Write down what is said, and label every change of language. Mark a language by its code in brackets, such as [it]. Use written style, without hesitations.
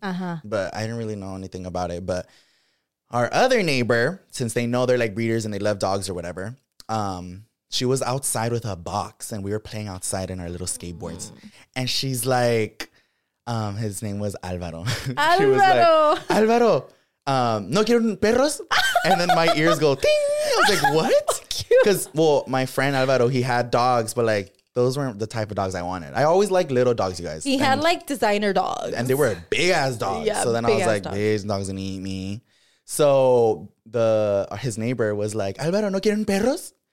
[en] Uh-huh. But I didn't really know anything about it. But our other neighbor, since they know they're like breeders and they love dogs or whatever, she was outside with a box and we were playing outside in our little skateboards. And she's like, his name was Alvaro. Alvaro. She was [es] like, Alvaro, no quiero perros. [en] And then my ears go, ting. I was like, what? Because, my friend Alvaro, he had dogs, but like, those weren't the type of dogs I wanted. I always liked little dogs, you guys. He had like designer dogs. And they were big ass dogs. Yeah, so then I was like, these dogs gonna eat me. So his neighbor was like, Alvaro, [es] ¿no quieren perros?